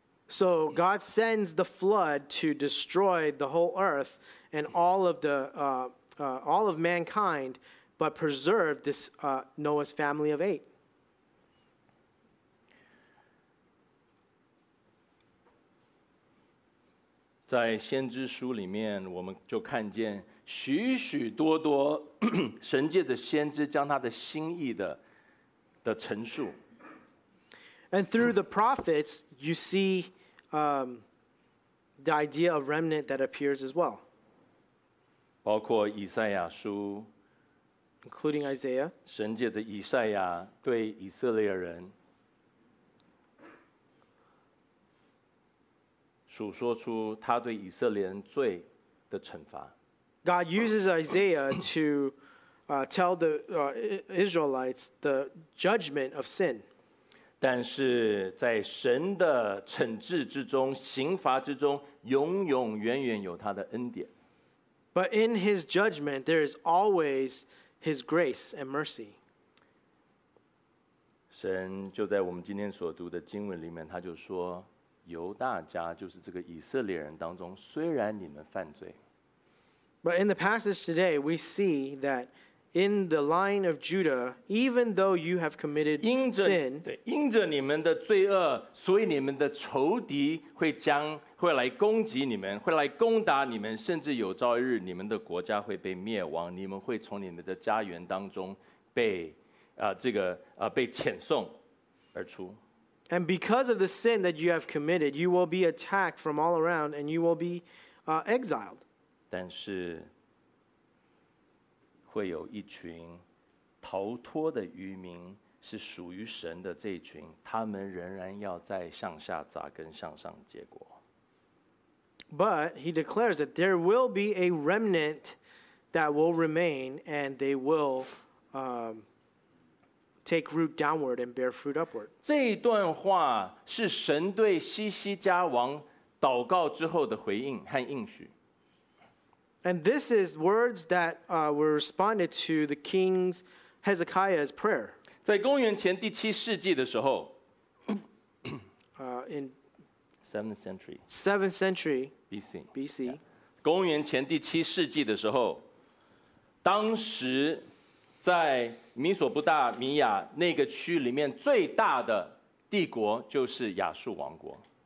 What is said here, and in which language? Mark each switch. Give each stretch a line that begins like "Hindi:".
English: So God sends the flood to destroy the whole earth and all of mankind, but preserve this Noah's family of eight.
Chinese: 在先知书里面，我们就看见许许多多神借着先知将他的心意的陈述。
English: And through the prophets, you see. The idea of remnant that appears as well.
Chinese: 包括以赛亚书
English: including Isaiah.
Chinese: 神借着以赛亚对以色列人述说出他对以色列人罪的惩罚。
English: God uses Isaiah to tell the Israelites the judgment of sin.
Chinese: 但是在神的惩治之中、刑罚之中，永永远远有他的恩典。
English: But in His judgment, there is always His grace and mercy.
Chinese: 神就在我们今天所读的经文里面，他就说：“犹大家，就是这个以色列人当中，虽然你们犯罪。”
English: But in the passage today, we see that. In the line of Judah, even though you have committed sin,
Chinese: 因着你们的罪恶，所以你们的仇敌会来攻击你们，会来攻打你们，甚至有朝一日你们的国家会被灭亡，你们会从你们的家园当中被遣送而出。
English: And because of the sin that you have committed, you will be attacked from all around, and you will be exiled.
Chinese: 但是会有一群逃脱的渔民，是属于神的这一群，他们仍然要在向下扎根，向上结果。
English: But he declares that there will be a remnant that will remain, and they will take root downward and bear fruit upward.
Chinese: 这一段话是神对西西家王祷告之后的回应和应许。
English: And this is words that were responded to the king Hezekiah's prayer.
Chinese: 在公元前第七世纪的时候
English: in 7th century BC、 yeah.
Chinese: 公元前第七世纪的时候，当时在米索不达米亚那个区里面最大的帝国就是亚述王国。